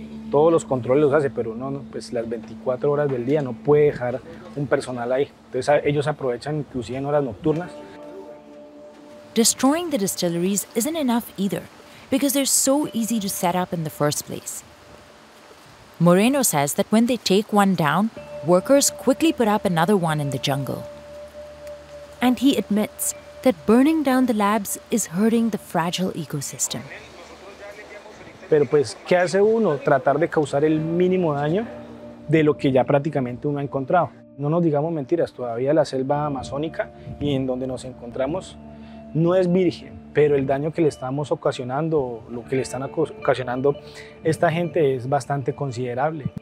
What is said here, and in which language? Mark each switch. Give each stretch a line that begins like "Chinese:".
Spanish: Todos los controles los hace, pero uno, pues las 24 horas del día no puede dejar un personal ahí. Entonces ellos aprovechan inclusive en horas nocturnas.
English: Destroying the distilleries isn't enough either, because they're so easy to set up in the first place. Moreno says that when they take one down, workers quickly put up another one in the jungle. And he admits that burning down the labs is hurting the fragile ecosystem.
Spanish: Pero pues, ¿qué hace uno? Tratar de causar el mínimo daño de lo que ya prácticamente uno ha encontrado. No nos digamos mentiras, todavía la selva amazónica y en donde nos encontramos no es virgen, pero el daño que le estamos ocasionando, lo que le están ocasionando esta gente es bastante considerable.